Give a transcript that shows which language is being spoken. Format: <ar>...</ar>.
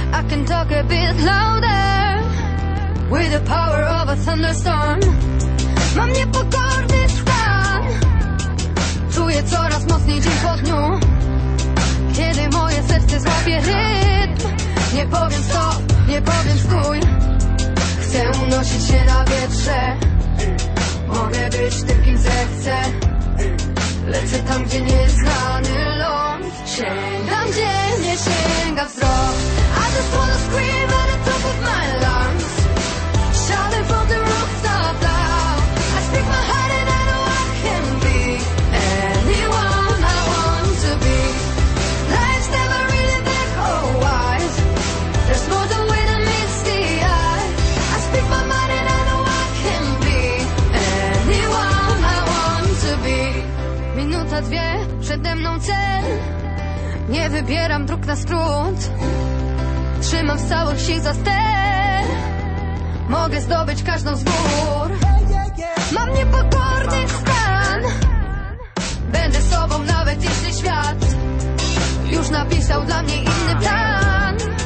<en>Can talk a bit louder with the power of a thunderstorm.</en> <pl>Mam niepokorny stan, czuję coraz mocniej dzień po dniu. Kiedy moje serce złapie rytm, nie powiem stop, nie powiem stój. Chcę unosić się na wietrze, mogę być tym, kim zechcę. Lecę tam, gdzie nieznany ląd sięgam, gdzie nie sięga wzrok.</pl> <en>I just wanna scream at the top of my lungs, shouting from the rooftop out loud. I speak my heart and I know I can be anyone I want to be. Life's never really black or white, there's more to it than meets the eye. I speak my mind and I know I can be anyone I want to be.</en> <pl>Minuta, dwie, przede mną cel, nie wybieram dróg na skrót. Trzymam w całych sił za ster, mogę zdobyć każdą z gór. Mam niepokorny stan, będę sobą nawet jeśli świat już napisał dla mnie inny plan.</pl>